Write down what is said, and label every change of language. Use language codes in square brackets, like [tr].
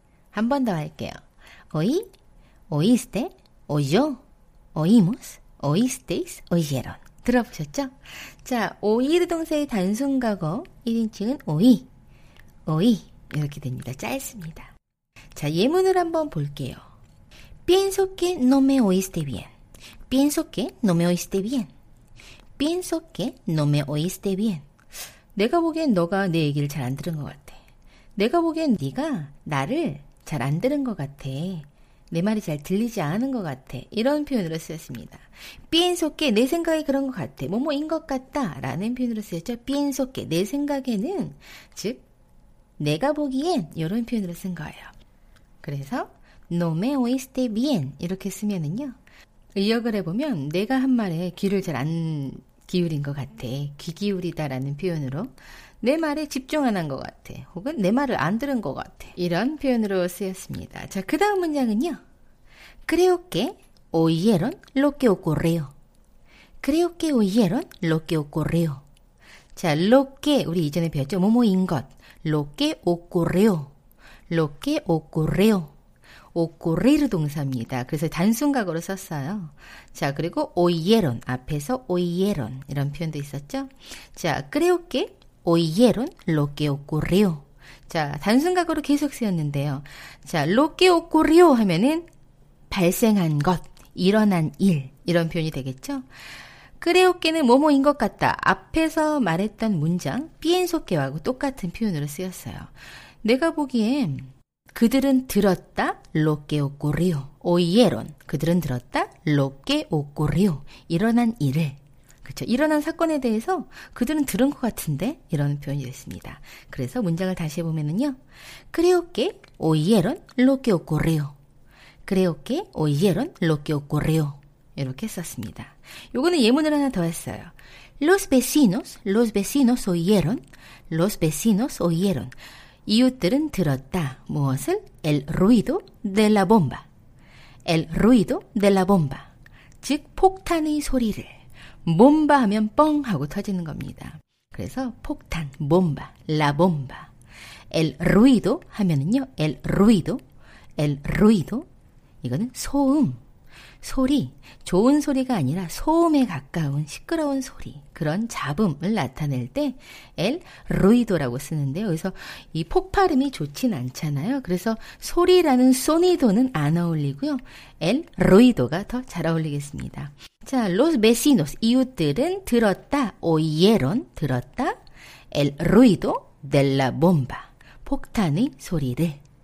[ko] 한번더 할게요. [es] 오이, 오이스테, 오이요, oímos, oísteis, oyeron. [ko] 들어보셨죠? 자, 오이르 동사의 단순 과거 1인칭은 오이, 오이 이렇게 됩니다. 짧습니다. 자, 예문을 한번 볼게요. [es] Pienso que no me oíste bien. Pienso que no me oíste bien. Pienso que no me oíste bien. [ko] 내가 보기엔 너가 내 얘기를 잘안 들은 것 같아. 내가 보기엔 네가 나를 잘안 들은 것 같아. 내 말이 잘 들리지 않은 것 같아. 이런 표현으로 쓰였습니다. 삐엔소께, 내 생각이 그런 것 같아. 뭐뭐인 것 같다. 라는 표현으로 쓰였죠. 삐엔소께, 내 생각에는. 즉, 내가 보기엔. 이런 표현으로 쓴 거예요. [es] 그래서, No me oíste bien. [ko] 이렇게 쓰면은요. 의역을 해보면, 내가 한 말에 귀를 잘안 기울인 것 같아. 귀 기울이다라는 표현으로. 내 말에 집중 안한것 같아. 혹은 내 말을 안 들은 것 같아. 이런 표현으로 쓰였습니다. 자, 그 다음 문장은요. [es] Creo que oyeron lo que ocurrió. Creo que oyeron lo que ocurrió. [ko] 자, lo que, 우리 이전에 배웠죠? 뭐뭐인 것. [es] Lo que ocurrió. Lo que ocurrió. [ko] Ocurrir 동사입니다. 그래서 단순과거로 썼어요. 자, 그리고 oyeron. 앞에서 oyeron. 이런 표현도 있었죠? [es] 자, creo que Oyeron lo que ocurrió. [ko] 자, 단순과거로 계속 쓰였는데요. 자, [es] lo que ocurrió [ko] 하면은 발생한 것, 일어난 일, 이런 표현이 되겠죠? Creo que는 뭐뭐인 것 같다. 앞에서 말했던 문장, pienso que하고 똑같은 표현으로 쓰였어요. 내가 보기엔 그들은 들었다. [es] Lo que ocurrió. Oyeron. [ko] 그들은 들었다. [es] Lo que ocurrió. [ko] 일어난 일을. 그렇죠. 일어난 사건에 대해서 그들은 들은 것 같은데? 이런 표현이 됐습니다. 그래서 문장을 다시 해보면요. [es] Creo que oyeron lo que ocurrió. Creo que oyeron lo que ocurrió. [ko] 이렇게 썼습니다. 요거는 예문을 하나 더 했어요. [es] Los vecinos oyeron. Los vecinos oyeron. [ko] 이웃들은 들었다. 무엇을? [es] El ruido de la bomba. El ruido de la bomba. [ko] 즉, 폭탄의 소리를. 몸바 하면 뻥 하고 터지는 겁니다. 그래서 폭탄, 몸바, 라몸바. [es] El ruido 하면은요, el ruido, el ruido. [ko] 이거는 소음, 소리, 좋은 소리가 아니라 소음에 가까운 시끄러운 소리, 그런 잡음을 나타낼 때 el ruido라고 쓰는데요. 여기서 이 폭발음이 좋진 않잖아요. 그래서 소리라는 소니도는 안 어울리고요. el ruido가 더잘 어울리겠습니다. 자, los vecinos, 이웃들은 들었다, oyeron, 들었다, [es] el ruido de la bomba, [ko] 폭탄의 소리를.